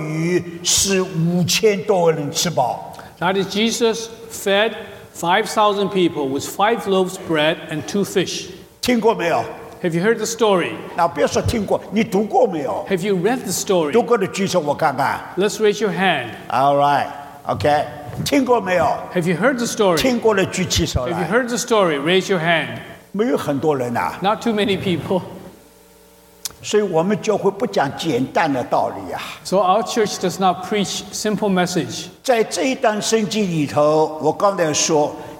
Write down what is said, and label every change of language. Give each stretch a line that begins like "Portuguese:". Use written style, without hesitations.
Chinese: 那是讲到主耶稣基督用五个饼两条鱼使5000多人吃饱。
English: That is Jesus fed 5,000 people with 5 loaves of bread and 2 fish.
Chinese: 听过没有？
English: Have you heard the story?
Chinese: 那别说听过，你读过没有？
English: Have you read the story?
Chinese: 读过的举手我看看。
English: Let's raise your hand. All right. Okay.
Chinese: 听过没有？
English: Have you heard the story?
Chinese: 听过的举起手来。
English: Have you heard the story? Raise your hand.
Chinese: 没有很多人啊。
English: Not too many people.
Chinese: 所以我们教会不讲简单的道理啊。
English: So our church does not preach simple message.
Chinese: 在这一段圣经里头，我刚才说。